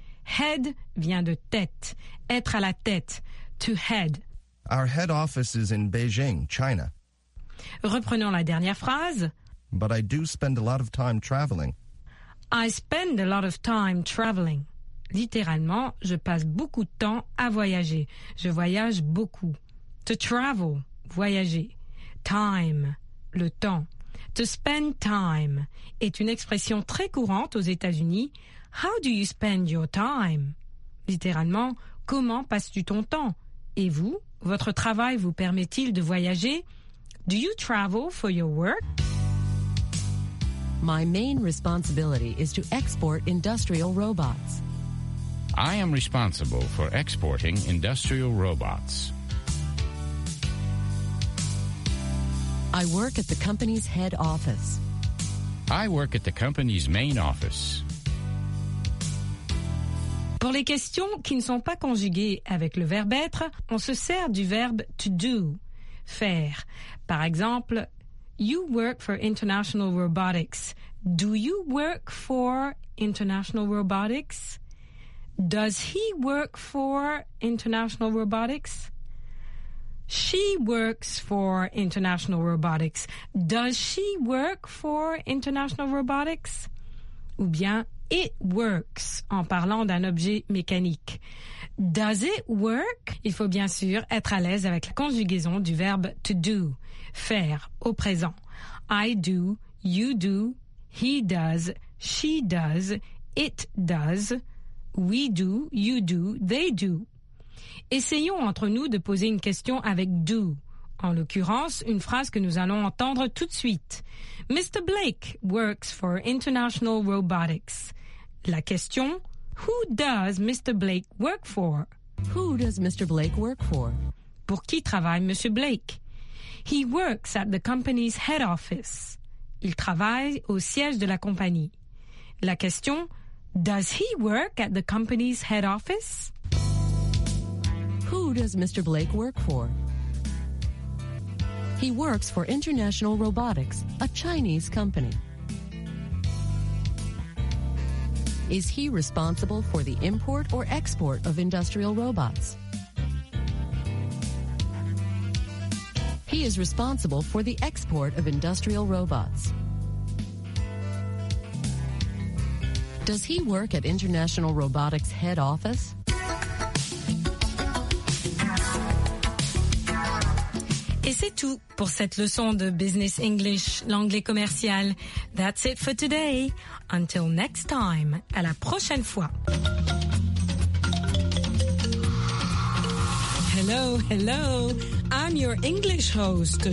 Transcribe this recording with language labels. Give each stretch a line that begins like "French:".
French: Head vient de tête, être à la tête, to head.
English: Our head office is in Beijing, China.
French: Reprenons la dernière phrase.
English: But I do spend a lot of time traveling. I spend a lot of time traveling.
French: Littéralement, je passe beaucoup de temps à voyager. Je voyage beaucoup.
English: To travel,
French: voyager. Time, le temps.
English: To spend time
French: est une expression très courante aux États-Unis.
English: How do you spend your time?
French: Littéralement, comment passes-tu ton temps? Et vous, votre travail vous permet-il de voyager?
English: Do you travel for your work? My main responsibility is to export industrial robots. I am responsible for exporting industrial robots. I work at the company's head office. I work at the company's main office.
French: Pour les questions qui ne sont pas conjuguées avec le verbe être, on se sert du verbe to do, faire. Par exemple,
English: you work for International Robotics. Do you work for International Robotics? Does he work for International Robotics? She works for International Robotics. Does she work for International Robotics?
French: Ou bien,
English: it works,
French: en parlant d'un objet mécanique.
English: Does it work?
French: Il faut bien sûr être à l'aise avec la conjugaison du verbe to do, faire, au présent.
English: I do, you do, he does, she does, it does, we do, you do, they do.
French: Essayons entre nous de poser une question avec « do ». En l'occurrence, une phrase que nous allons entendre tout de suite.
English: « Mr. Blake works for International Robotics ».
French: La question
English: « Who does Mr. Blake work for ?»« Who does Mr. Blake work for ?»
French: Pour qui travaille Monsieur Blake ?«
English: He works at the company's head office ».
French: Il travaille au siège de la compagnie. La question
English: « Does he work at the company's head office ?» Who does Mr. Blake work for? He works for International Robotics, a Chinese company. Is he responsible for the import or export of industrial robots? He is responsible for the export of industrial robots. Does he work at International Robotics head office?
French: Et c'est tout pour cette leçon de Business English, l'anglais commercial.
English: That's it for today. Until next time,
French: à la prochaine fois.
English: Hello, hello. I'm your English host.